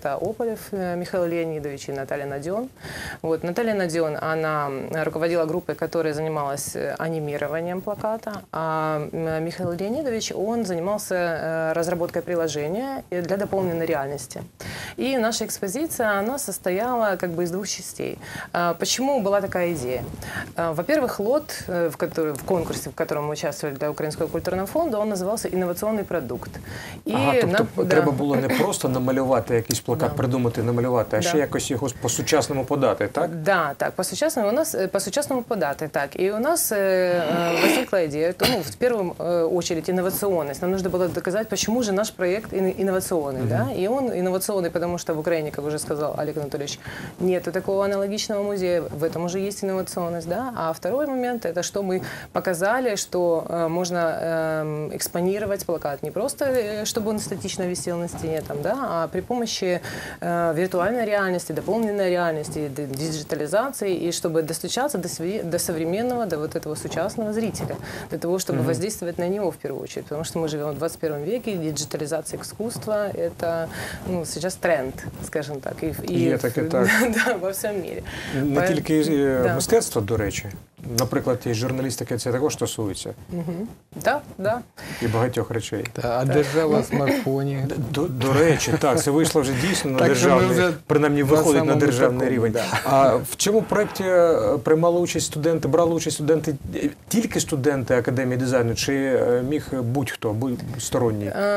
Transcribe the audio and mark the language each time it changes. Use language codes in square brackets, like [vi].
[ru] Это Ополев Михаил Леонидович и Наталья Надион. Вот, Наталья Надион, она руководила группой, которая занималась анимированием плаката, а Михаил Леонидович, он занимался разработкой приложения для дополненной реальности. И наша экспозиция, она состояла как бы из двух частей. Почему была такая идея? Во-первых, лот, в конкурсе, в котором мы участвовали для Украинского культурного фонда, он назывался «Инновационный продукт». [uk] І ага, тобто треба було не просто намалювати якийсь плакат, придумати, намалювати, а ще якось його по-сучасному подати, так? Да, так, по-сучасному, у нас, по-сучасному подати, так. І у нас возникла ідея, тому в першу чергу інноваційність. Нам потрібно було доказати, чому ж наш проєкт інноваційний, да? [ru] І він инновационный, потому что в Украине, как уже сказал Олег Анатольевич, нету такого аналогичного музея, в этом уже есть инновационность, да, а второй момент, это что мы показали, что можно экспонировать плакат, не просто, чтобы он статично висел на стене, там, да, а при помощи виртуальной реальности, дополненной реальности, диджитализации, и чтобы достучаться до современного, до вот этого сучасного зрителя, для того, чтобы mm-hmm. воздействовать на него в первую очередь, потому что мы живем в 21 веке, диджитализация искусства, это, ну, сейчас тренд, скажем так, и так. Да, во всем мире. Не только [uk] мистецтво, до речи. Наприклад, і журналістики, це також стосується. Так. І багатьох речей. А держава в смартфоні? До речі, так, це вийшло вже дійсно на державний, принаймні виходить на державний рівень. А в чому проєкті приймали участь студенти, брали участь студенти, тільки студенти Академії дизайну, чи міг будь-хто, сторонній?